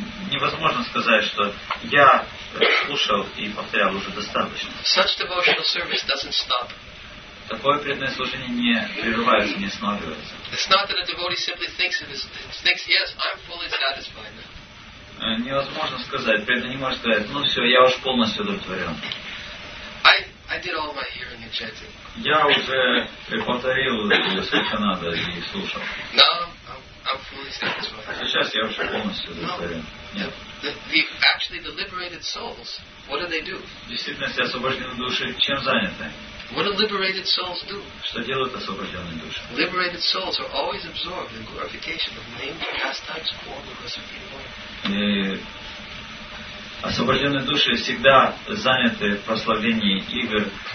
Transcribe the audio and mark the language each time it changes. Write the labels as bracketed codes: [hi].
[ru] Невозможно сказать, что я слушал и повторял уже достаточно. [en] Such devotional service doesn't stop. [ru] Такое преданное служение не прерывается, не останавливается. [en] It's not that a devotee simply thinks, yes, I'm fully satisfied now. [ru] Невозможно сказать, преданный не может сказать, ну все, я уж полностью удовлетворен. [en] I did all my hearing and chanting. [ru] Я уже повторил, сколько надо, и слушал. [en] No. I'm fully satisfied. [ru] Сейчас я уже полностью удовлетворен. No. Нет. [en] The actually the liberated souls, what do they do? [ru] Действительно, освобожденные души чем заняты? [en] What do liberated souls do? [ru] Что делают освобожденные души? [en] Liberated souls are always absorbed in glorification of names, pastimes, form, and recipient. [ru] Освобожденные души всегда заняты в прославлении игр.